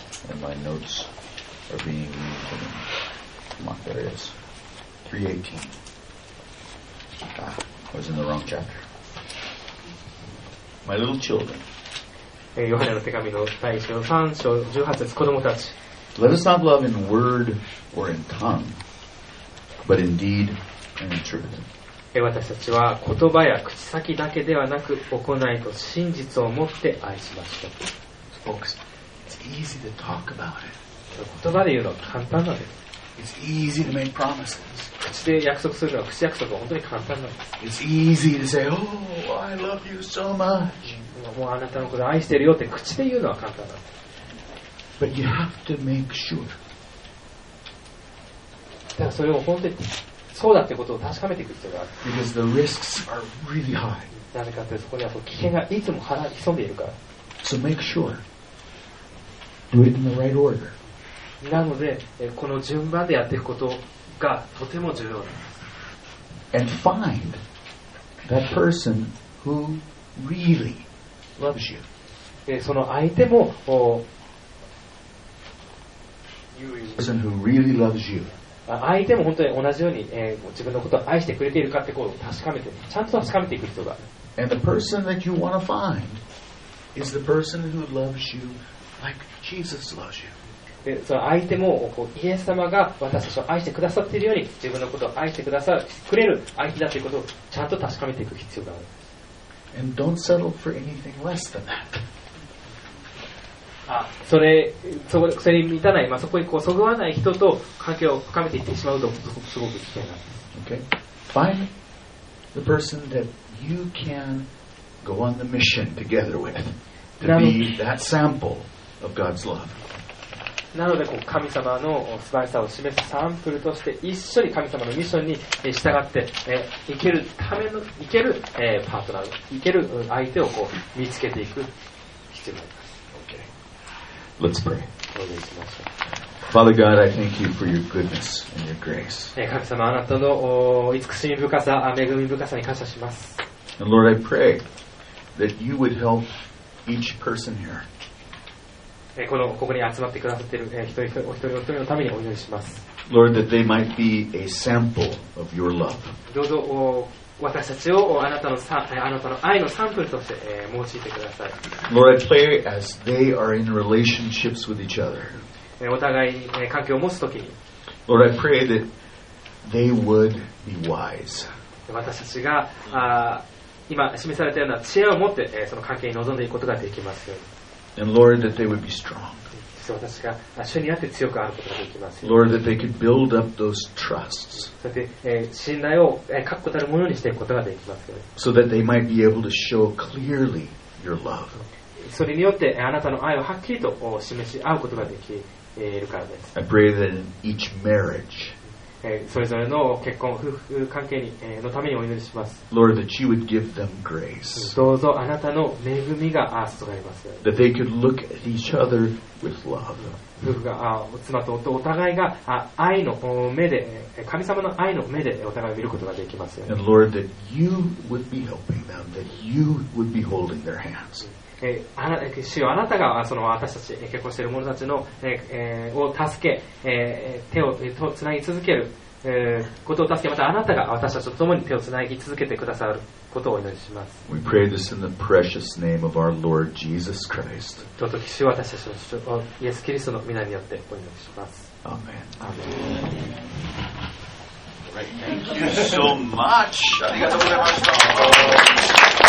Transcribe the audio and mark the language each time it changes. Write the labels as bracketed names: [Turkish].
[English] And my notes are being used in my areas. 318. I was in the wrong chapter. My little children. [Japanese] ヨハネの手紙の第1章3章18節、子供たち。 [English] Let us not love in word or in tongue, but in deed and in truth. [Japanese] 私たちは言葉や口先だけではなく、行いと真実をもって愛しましょう。 [English] Folks, it's easy to talk about it. [Japanese] 言葉で言うのは簡単なんです。 [English] It's easy to make promises. [Japanese] 口で約束するのは口約束は本当に簡単なんです。 [English] It's easy to say, oh, I love you so much. [Japanese] もうあなたのこと愛してるよって口で言うのは簡単なんです。 [English] But you have to make sure. [Japanese] だからそれを本当にそうだってことを確かめていく必要がある。 [English] Because the risks are really high. [Japanese] なぜかってそこには危険がいつも潜んでいるから。 [English] So make sure. Do it in the right order. [Japanese] なのでこの順番でやっていくことがとても重要です。 [English] And find that person who really loves you. [Japanese] その相手も [English] person who really loves you. [Japanese] 相手も本当に同じように、自分のことを愛してくれているかってことを確かめて、ちゃんと確かめていく人が、 [English] And the person that you want to find is the person who loves you like Jesus loves you. [Japanese] でその相手もイエス様が私たちを愛してくださっているように自分のことを愛してくださってくれる相手だということをちゃんと確かめていく必要がある。 [English] And don't settle for anything less than that. [Japanese] それに満たない、まあ、そこにこうそぐわない人と関係を深めていってしまうとすごく危険なんです。 [English] Okay. Find the person that you can go on the mission together with to be that sample of God's love. [Japanese] なのでこう神様の素晴らしさを示すサンプルとして一緒に神様のミッションに従って行けるための行けるパートナー行ける相手をこう見つけていく必要があります。 [English] Okay. Let's pray. [Japanese] お願いします。 [English] Father God, I thank you for your goodness and your grace. [Japanese] 神様、あなたの慈しみ深さ、恵み深さに感謝します。 [English] And Lord, I pray that you would help each person here. [Japanese] ここに集まってくださっている一人一人、お一人お一人のためにお祈りします。 [English] Lord, that they might be a sample of your love. [Japanese] どうぞ私たちをあなたの愛のサンプルとして用いてください。 [English] Lord, I pray as they are in relationships with each other. [Japanese] お互いに関係を持つときに [English] Lord, I pray that they would be wise. [Japanese] 私たちが今示されたような知恵を持ってその関係に臨んでいくことができますように [English] And Lord, that they would be strong. [Japanese] 私たちが主にあって強くあることができますように [English] Lord, that they could build up those trusts. [Japanese] そして信頼を確固たるものにしていくことができますように [English] So that they might be able to show clearly your love. [Japanese] それによってあなたの愛をはっきりと示し合うことができるからです。 [English] I pray that in each marriage, [Japanese] それぞれの結婚夫婦関係のためにお祈りします。 [English] Lord, that you would give them grace. [Japanese] どうぞあなたの恵みが注がれます。 [English] That they could look at each other with love. [Japanese] 夫婦が妻と夫お互いが愛の目で神様の愛の目でお互いを見ることができます。 [English] And Lord, that you would be helping them, that you would be holding their hands. [Japanese] 主よ、あなたがその私たち結婚している者たちのを助け、手をつなぎ続けることを助け、またあなたが私たちと共に手をつなぎ続けてくださることをお祈りします。 [English] We pray this in the precious name of our Lord Jesus Christ. [Japanese] どうぞ主よ、私たちの主よ、イエス・キリストの御名によってお祈りします。 [English] Amen. Amen. Thank you so much. [Japanese] ありがとうございました。